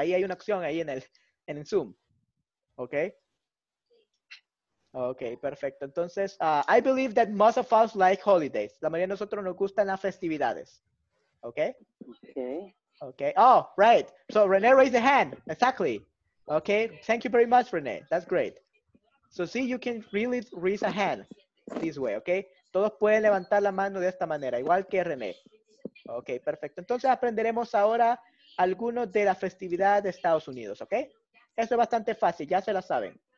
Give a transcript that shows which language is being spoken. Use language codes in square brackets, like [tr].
[es] Ahí hay una opción ahí en el Zoom. [en] Okay. Okay, perfecto. Entonces, I believe that most of us like holidays. [es] La mayoría de nosotros nos gustan las festividades. [en] Okay? Okay. Okay. Oh, right. So René raised the hand. Exactly. Okay. Thank you very much, René. That's great. So see, you can really raise a hand this way, okay? [es] Todos pueden levantar la mano de esta manera, igual que René. Okay, perfecto. Entonces aprenderemos ahora algunos de la festividad de Estados Unidos, okay? Eso es bastante fácil, ya se la saben.